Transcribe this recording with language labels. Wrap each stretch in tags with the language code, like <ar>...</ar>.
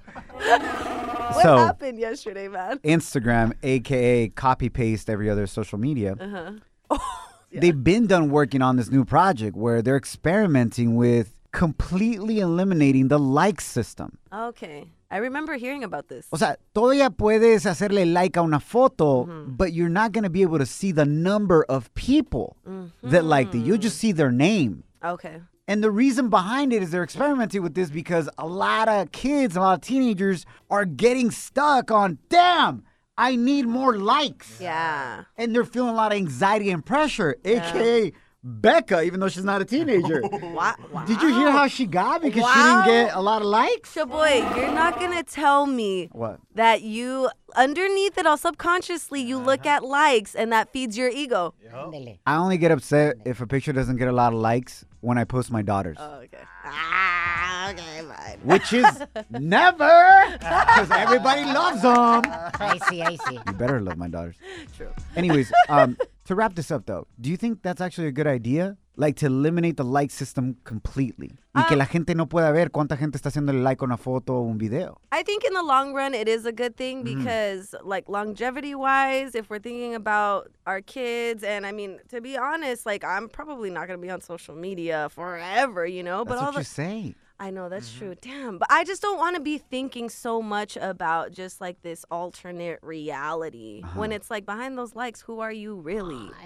<en>What happened yesterday, man? Instagram, a.k.a. copy-paste every other social media. Uh-huh. Yeah. They've been done working on this new project where they're experimenting with completely eliminating the like system. Okay. I remember hearing about this.</en> <es>O sea, todavía puedes hacerle like a una foto, mm-hmm.</es> <en>but you're not going to be able to see the number of people mm-hmm. that liked it. You'll just see their name. Okay. And the reason behind it is they're experimenting with this because a lot of kids, a lot of teenagers are getting stuck on, damn, I need more likes. Yeah. And they're feeling a lot of anxiety and pressure, aka Becca, even though she's not a teenager. What? Wow. Did you hear how she got? Because she didn't get a lot of likes? Shaboy, you're not going to tell me what? That you, underneath it all, subconsciously, you look at likes and that feeds your ego. Yep. I only get upset if a picture doesn't get a lot of likes when I post my daughters. Oh, okay. Okay, fine. Which is never, because everybody loves them. I see. You better love my daughters. True. Anyways, to wrap this up, though, do you think that's actually a good idea? Like, to eliminate the like system completely.</en> <es>Y que la gente no pueda ver cuánta gente está haciendo like a una foto o un video.</es> <en>I think in the long run, it is a good thing because, like, longevity-wise, if we're thinking about our kids, and, I mean, to be honest, like, I'm probably not going to be on social media forever, you know? That's what you're saying. I know, that's true. Damn. But I just don't want to be thinking so much about just like this alternate reality when it's like behind those likes, who are you really?</en>